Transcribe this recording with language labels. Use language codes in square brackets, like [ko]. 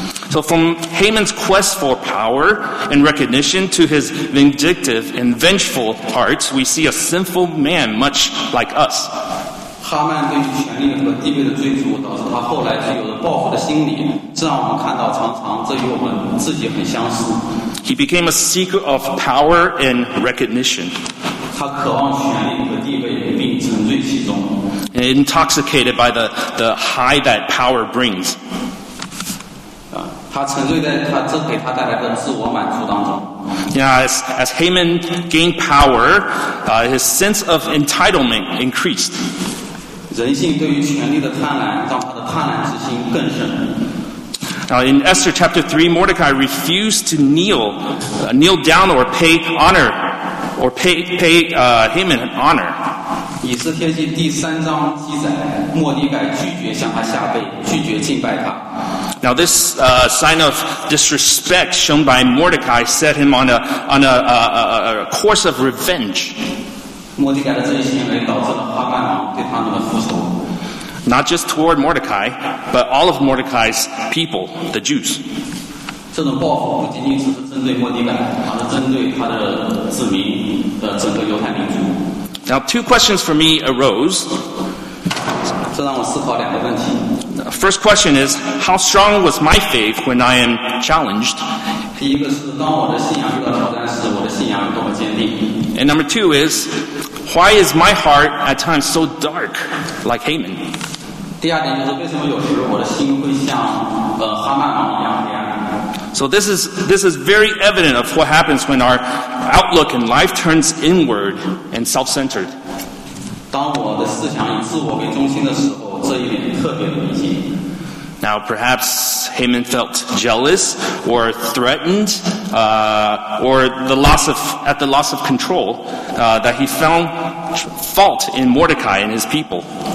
[en] So from Haman's quest for power and recognition to his vindictive and vengeful heart, we see a sinful man much like us. [zh] 哈曼对于权力和地位的追逐，导致他后来具有了报复的心理，这让我们看到，常常这与我们自己很相似。 [en] He became a seeker of power and recognition. [zh] 他渴望权力和地位，并沉醉其中。 [en] Intoxicated by the high that power brings. [zh] 他沉醉在他这给他带来的自我满足当中。 [en] Yeah, as Haman gained power, his sense of entitlement increased. [zh] 人性对于权力的贪婪，让他的贪婪之心更深。 [en] Now, in Esther chapter 3, Mordecai refused to kneel down or pay honor, or pay Haman honor. [zh] 以斯帖记第三章记载，莫迪改拒绝向他下跪，拒绝敬拜他。 [en] Now, this sign of disrespect shown by Mordecai set him on a course of revenge. [zh] 莫迪改的这一行为导致了哈曼王对他们的复仇。 [en] Not just toward Mordecai, but all of Mordecai's people, the Jews. [zh] 这种报复不仅仅只是针对莫迪改，而是针对他的子民的整个犹太民族。 [en] Now, two questions for me arose. [zh] 这让我思考两个问题。 [en] First question is, how strong was my faith when I am challenged? [zh] 第一个是当我的信仰遇到挑战时，我的信仰多么坚定。 [en] And number two is, why is my heart at times so dark, like Haman? [zh] 第二点就是为什么有时我的心会像哈曼王一样黑暗。 [en] So this is very evident of what happens when our outlook in life turns inward and self-centered. [zh] 当我的思想以自我为中心的时候，这一点特别明显。 [en] Now, perhaps Haman felt jealous or threatened, or at the loss of control, that he found fault in Mordecai and his people.